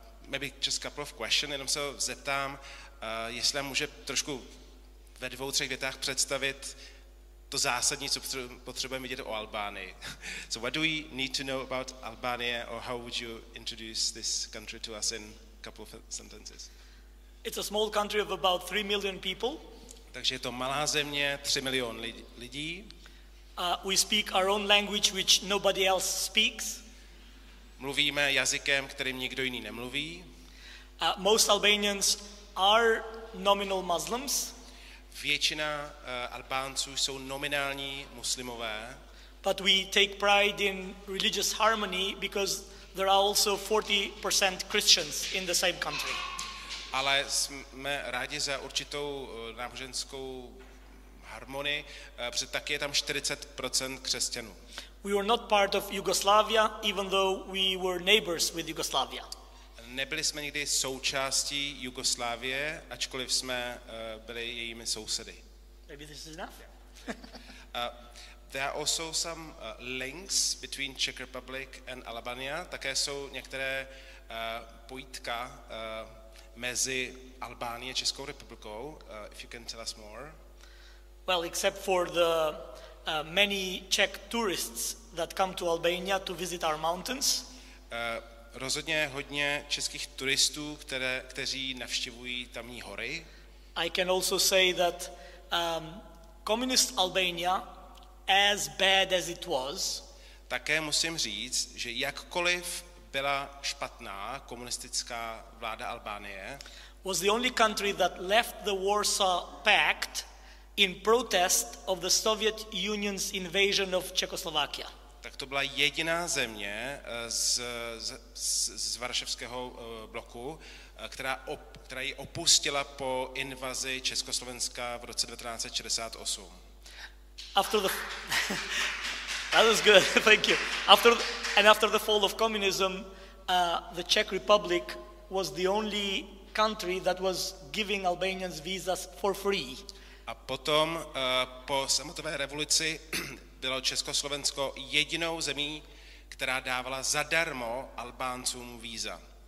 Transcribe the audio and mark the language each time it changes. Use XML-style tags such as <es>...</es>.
<en>Maybe just a couple of questions,</en> <cs>jenom se ho zeptám, jestli může trošku ve dvou, třech větách představit to zásadní, co potřebujeme vidět o Albánii.</cs> <en>So what do we need to know about Albania, or how would you introduce this country to us in a couple of sentences? It's a small country of about 3 million people.</en> <cs>Takže je to malá země, 3 milion lidí.</cs> <en>We speak our own language, which nobody else speaks.</en> <cs>Mluvíme jazykem, kterým nikdo jiný nemluví.</cs> <en>Most Albanians are nominal Muslims.</en> <cs>Většina Albánců jsou nominální muslimové.</cs> <en>But we take pride in religious harmony because there are also 40% Christians in the same country.</en> <cs>Ale jsme rádi za určitou náboženskou harmonii, protože taky je tam 40% křesťanů.</cs> <en>We were not part of Yugoslavia, even though we were neighbors with Yugoslavia.</en> <cs>Nebyli jsme nikdy součástí Jugoslávie, ačkoliv jsme byli jejími sousedy.</cs> <en>Maybe this is enough. There are also some links between Czech Republic and Albania.</en> <cs>Také jsou některé pojítka mezi Albánií a Českou republikou,</cs> <en>if you can tell us more. Well, except for the many Czech tourists that come to Albania to visit our mountains.</en> <cs>Rozhodně hodně českých turistů, kteří navštěvují tamní hory.</cs> <en>I can also say that communist Albania, as bad as it was.</en> <cs>Také musím říct, že jakkoliv byla špatná komunistická vláda Albánie,</cs> <en>was the only country that left the Warsaw Pact in protest of the Soviet Union's invasion of Czechoslovakia.</en> <cs>Tak to byla jediná země z Varšavského bloku, která ji opustila po invazi Československa v roce 1968.</cs> <en>After the That was good. Thank you. After the fall of communism, the Czech Republic was the only country that was giving Albanians visas for free.</en> <cs>A potom po sametové revoluci bylo Československo jedinou zemí, která dávala zadarmo Albáncům víza.</cs>